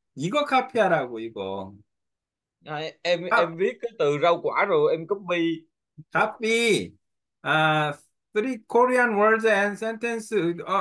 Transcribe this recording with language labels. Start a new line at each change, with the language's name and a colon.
Korean: 이거 copy하라고 이거.
Vietnamese: em viết cái từ rau quả rồi em copy.
English: Copy, three Korean words and sentences.